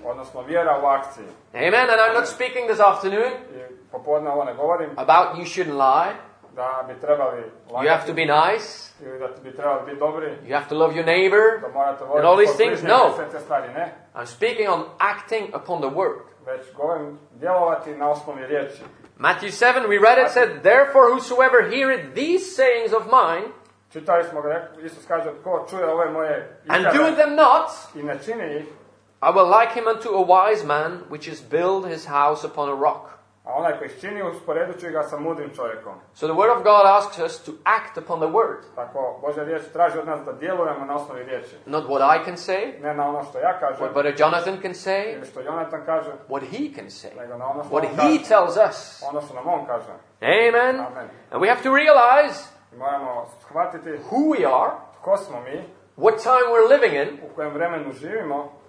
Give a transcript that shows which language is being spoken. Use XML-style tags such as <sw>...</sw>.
<hr>Odnosno vjera u akciji.</hr> <en>Amen. And I'm not speaking this afternoon.</en> <hr>Popodne ovo ne govorim.</hr> <en>About you shouldn't lie.</en> <hr>Da bi trebali lagati.</hr> <en>You have to be nice.</en> <hr>Da bi trebali biti dobri.</hr> <en>You have to love your neighbor.</en> <hr>Da morate voliti.</hr> <en>And all these things, no. I'm speaking on acting upon the word.</en> <hr>Već govorim djelovati na osnovi riječi.</hr> <en>Matthew 7, we read it, said, therefore whosoever heareth these sayings of mine,</en> <hr>čitali smo ga, Isus kaže, ko čuje ove moje izjave,</hr> <en>and doeth them not,</en> <hr>i ne čini ih,</hr> <en>I will like him unto a wise man, which has built his house upon a rock.</en> <hr>A onaj koji čini, usporedit ću ga sa mudrim čovjekom.</hr> <en>So the word of God asks us to act upon the word.</en> <hr>Tako, Božja riječ traži od nas da djelujemo na osnovi riječi.</hr> <en>Not what I can say.</en> <hr>Ne na ono što ja kažem.</hr> <en>What Brother Jonathan can say.</en> <hr>Ili što Jonathan kaže.</hr> <en>What he can say.</en> <hr>Nego na ono što</hr> <en>what on he</en> <hr>kaže.</hr> <en>Tells us.</en> <hr>Ono što nam on kaže.</hr> <en>Amen. Amen. And we have to realize.</en> <hr>I moramo shvatiti.</hr> <en>Who we are.</en> <hr>Tko smo mi.</hr> <en>What time we're living in.</en> <hr>U kojem vremenu živimo.</hr>